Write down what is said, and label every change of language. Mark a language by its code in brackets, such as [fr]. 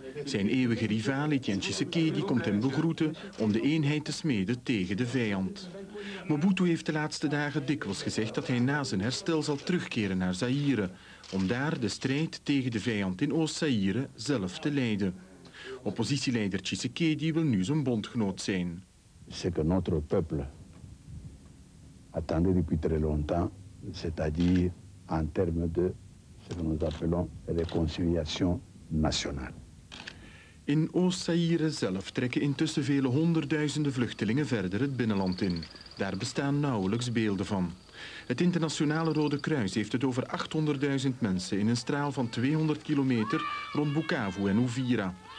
[nl] Zijn eeuwige rival Etienne Tshisekedi komt hem begroeten om de eenheid te smeden tegen de vijand. Mobutu heeft de laatste dagen dikwijls gezegd dat hij na zijn herstel zal terugkeren naar Zaïre, om daar de strijd tegen de vijand in Oost-Zaïre zelf te leiden. Oppositieleider Tshisekedi wil nu zijn bondgenoot zijn. [fr] Ce que notre peuple attendait depuis très longtemps, c'est-à-dire en termes de ce que nous appelons réconciliation nationale. [nl] In Oost-Zaïre zelf trekken intussen vele honderdduizenden vluchtelingen verder het binnenland in. Daar bestaan nauwelijks beelden van. Het Internationale Rode Kruis heeft het over 800.000 mensen in een straal van 200 kilometer rond Bukavu en Uvira.